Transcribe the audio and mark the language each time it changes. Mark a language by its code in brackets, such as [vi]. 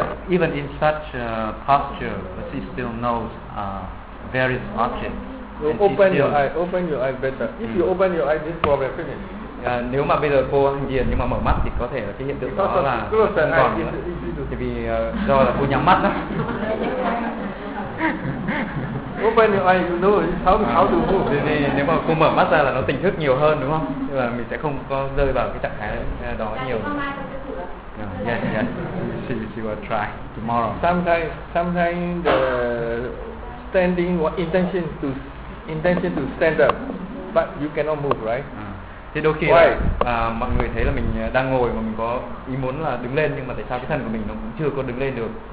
[en] Even in such posture, but she still knows various objects. Open your eyes better. If you open your eyes, this problem finished. [vi] Nếu mà bây giờ cô ăn diền nhưng mà mở mắt thì có thể là cái hiện tượng [en] because [vi] đó là còn nữa. Thì vì do là cô nhắm mắt đó. [en] Open your eyes, you know how to move. [vi] Thì nếu mà cô mở mắt ra là nó tỉnh thức nhiều hơn đúng không? Thì là mình sẽ không có rơi vào cái trạng thái đó nhiều. [en] Yes. She will try tomorrow. Sometimes the standing intention to stand up, but you cannot move, right? [vi] Thì đôi khi [en] why? [vi] Là mọi người thấy là mình đang ngồi mà mình có ý muốn là đứng lên nhưng mà tại sao cái thân của mình nó cũng chưa có đứng lên được?